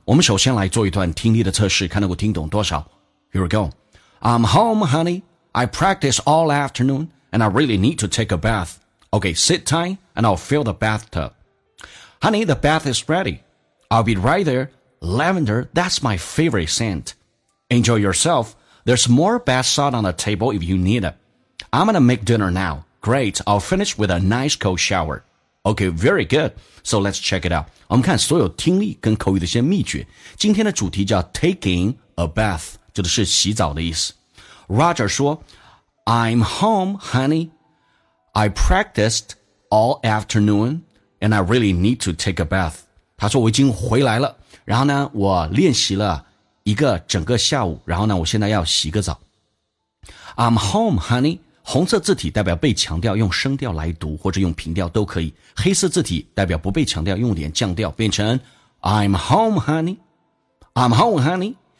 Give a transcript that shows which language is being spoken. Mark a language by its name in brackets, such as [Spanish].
[Chinese] 我们首先来做一段听力的测试，看能够听懂多少。 [English] Here we go. I'm home, honey. I practice all afternoon, and I really need to take a bath. Okay, sit tight, and I'll fill the bathtub. Honey, the bath is ready. I'll be right there. Lavender, that's my favorite scent. Enjoy yourself. There's more bath salt on the table if you need it. I'm gonna make dinner now. Great, I'll finish with a nice cold shower. Okay, very good. So let's check it out. [Chinese] 我们看所有听力跟口语的一些秘诀。今天的主题叫 [English] taking a bath, [Chinese] 指的是洗澡的意思。 [English] Roger 说 I'm home, honey. I practiced all afternoon and I really need to take a bath. [Chinese] 他说我已经回来了，然后呢我练习了一个整个下午，然后呢我现在要洗个澡。 [English] I'm home, honey. [Chinese] 红色字体代表被强调，用声调来读或者用平调都可以。黑色字体代表不被强调，用点降调，变成 [English] I'm home, honey. I'm home, honey.